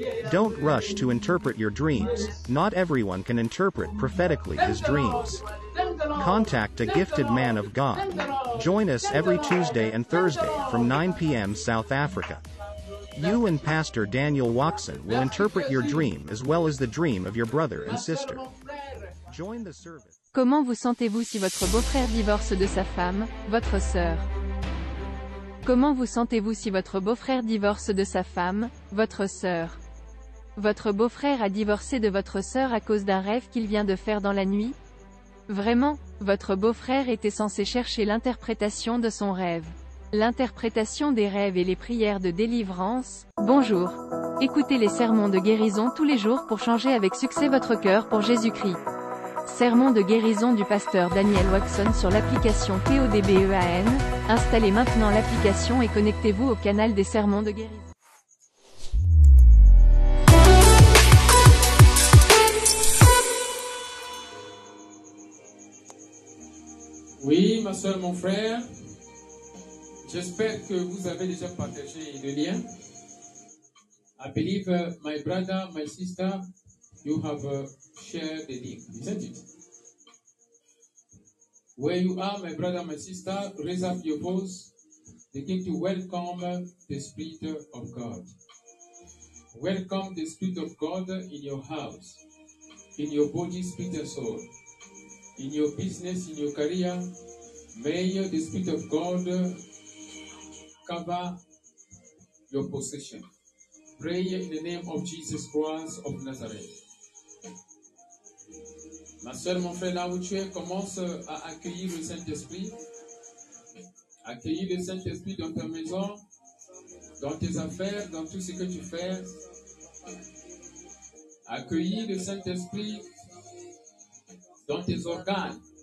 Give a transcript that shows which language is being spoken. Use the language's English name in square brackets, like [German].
[English] Don't rush to interpret your dreams. Not everyone can interpret prophetically his dreams. Contact a gifted man of God. Join us every Tuesday and Thursday from 9 p.m. South Africa. You and Pastor Daniel Watson will interpret your dream as well as the dream of your brother and sister. Join the service. [French] Comment vous sentez-vous si votre beau-frère divorce de sa femme, votre sœur? Comment vous sentez-vous si votre beau-frère divorce de sa femme, votre sœur? Votre beau-frère a divorcé de votre sœur à cause d'un rêve qu'il vient de faire dans la nuit? Vraiment, votre beau-frère était censé chercher l'interprétation de son rêve. L'interprétation des rêves et les prières de délivrance. Bonjour. Écoutez les sermons de guérison tous les jours pour changer avec succès votre cœur pour Jésus-Christ. Sermon de guérison du pasteur Daniel Watson sur l'application PODBEAN. Installez maintenant l'application et connectez-vous au canal des sermons de guérison. Oui, ma soeur, mon frère, j'espère que vous avez déjà partagé le lien. [English] I believe, my brother, my sister, you have shared the link, isn't it? Where you are, my brother, my sister, raise up your voice, begin to welcome the Spirit of God. Welcome the Spirit of God in your house, in your body, spirit, and soul, in your business, in your career. May the Spirit of God cover your possession. Pray in the name of Jesus Christ of Nazareth. [French] Ma soeur, mon frère, là où tu es, commence à accueillir le Saint-Esprit. Accueillir le Saint-Esprit dans ta maison, dans tes affaires, dans tout ce que tu fais. Accueillir le Saint-Esprit dans tes organes.